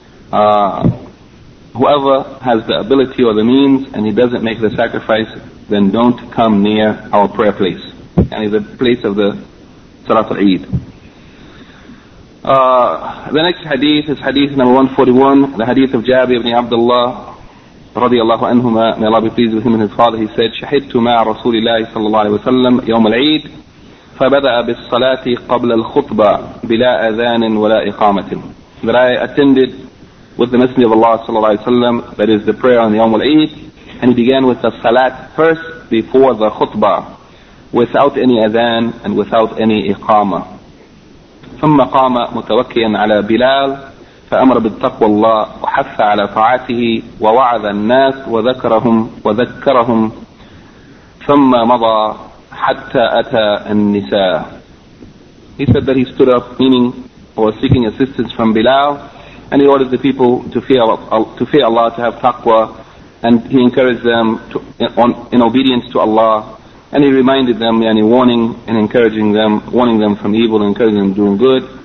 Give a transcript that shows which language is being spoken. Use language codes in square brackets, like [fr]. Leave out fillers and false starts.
[en] Whoever has the ability or the means and he doesn't make the sacrifice, then don't come near our prayer place, and the place of the Salat al-Eid. The next hadith is hadith number 141, the hadith of Jabir ibn Abdullah radiyallahu anhuma, may Allah be pleased with him and his father. He said, [ar] شهدت مع رسول الله صلى الله عليه وسلم يوم العيد فبدأ بالصلاة قبل الخطبة بلا أذان ولا إقامة. [en] That I attended with the Messenger of Allah صلى الله عليه وسلم, that is the prayer on يوم العيد, and he began with the salat first before the khutbah, without any adhan and without any iqama. [ar] ثم قام متوكيا على بلال فأمر بالتقوى الله وحث على طاعته ووعظ الناس وذكرهم ثم مضى حتى أتى النساء. [en] He said that he stood up, meaning or seeking assistance from Bilal, and he ordered the people to fear Allah, to have taqwa, and he encouraged them in obedience to Allah. And he reminded them, yani warning and encouraging them, warning them from evil and encouraging them doing good.